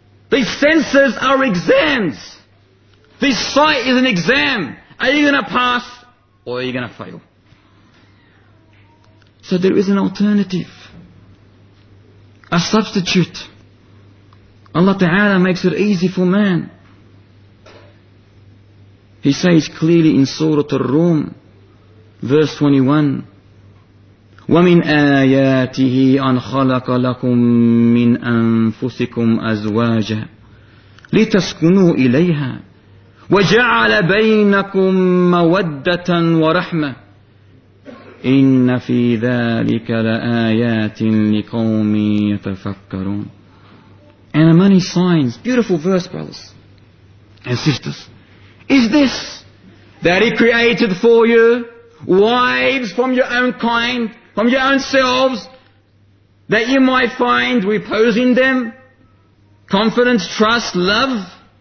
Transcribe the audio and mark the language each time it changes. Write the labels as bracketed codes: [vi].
[en] These senses are exams. This sight is an exam. Are you going to pass or are you going to fail? So there is an alternative, a substitute. Allah Ta'ala makes it easy for man. He says clearly in Surah Ar-Rum, verse 21, [ar] وَمِنْ آيَاتِهِ أَنْ خَلَقَ لَكُمْ مِنْ أَنفُسِكُمْ أَزْوَاجًا لِتَسْكُنُوا إِلَيْهَا وَجَعَلَ بَيْنَكُمْ مَوَدَّةً وَرَحْمَةً إِنَّ فِي ذَلِكَ لَآيَاتٍ لِقَوْمٍ يَتَفَكَّرُونَ. [en] And many signs, beautiful verse, brothers and sisters, is this that He created for you wives from your own kind, from your own selves, that you might find repose in them, confidence, trust, love?